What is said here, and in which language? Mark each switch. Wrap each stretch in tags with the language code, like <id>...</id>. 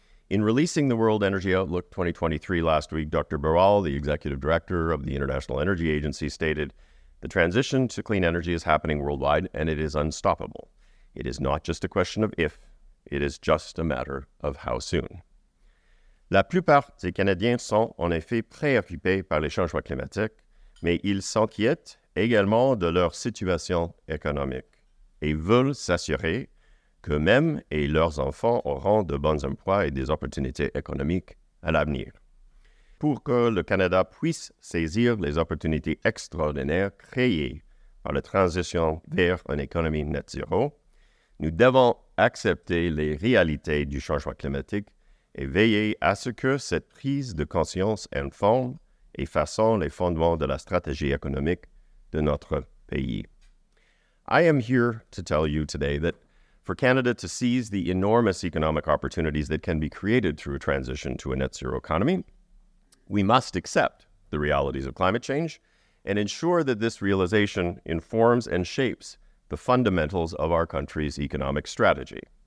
<en>In releasing the World Energy Outlook 2023 last week, Dr. Barwal, the executive director of the International Energy Agency, stated, "The transition to clean energy is happening worldwide and it is unstoppable. It is not just a question of if, it is just a matter of how soon."</en> <fr>La plupart des Canadiens sont en effet préoccupés par les changements climatiques, mais ils s'inquiètent également de leur situation économique et veulent s'assurer qu'eux-mêmes et leurs enfants auront de bons emplois et des opportunités économiques à l'avenir. Pour que le Canada puisse saisir les opportunités extraordinaires créées par la transition vers une économie net zéro, nous devons accepter les réalités du changement climatique et veiller à ce que cette prise de conscience informe et façonne les fondements de la stratégie économique de notre pays.</fr> <en>I am here to tell you today that for Canada to seize the enormous economic opportunities that can be created through a transition to a net zero economy, we must accept the realities of climate change and ensure that this realization informs and shapes the fundamentals of our country's economic strategy.</en>